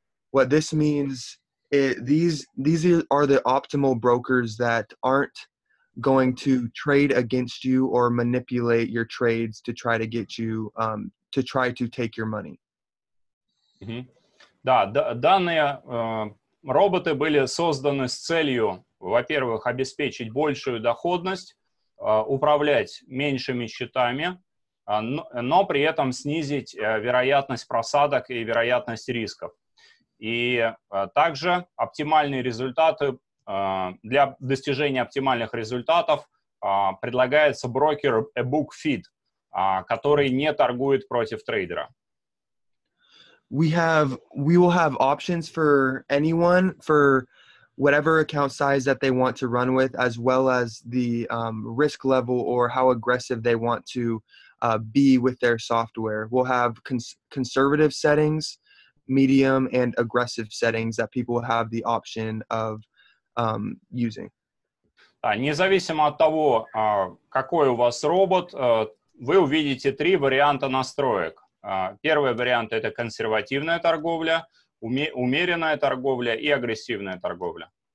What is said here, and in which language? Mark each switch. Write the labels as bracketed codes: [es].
[en] What this means These are the optimal brokers that aren't going to trade against you or manipulate your trades to try to get you to try to take your money. Mm-hmm. [ru] Да, данные роботы были созданы с целью, во-первых, обеспечить большую доходность, управлять меньшими счетами, но при этом снизить вероятность просадок и вероятность рисков. И также оптимальные результаты для достижения оптимальных результатов предлагается брокер eBook Feed, который не торгует против трейдера. [en] We will have options for anyone for whatever account size that they want to run with, as well as the risk level or how aggressive they want to be with their software. We'll have conservative settings, medium and aggressive settings that people have the option of using. [ru] Независимо от того, какой у вас робот, вы увидите три варианта настроек. Первый вариант – это консервативная торговля, умеренная торговля и агрессивная торговля.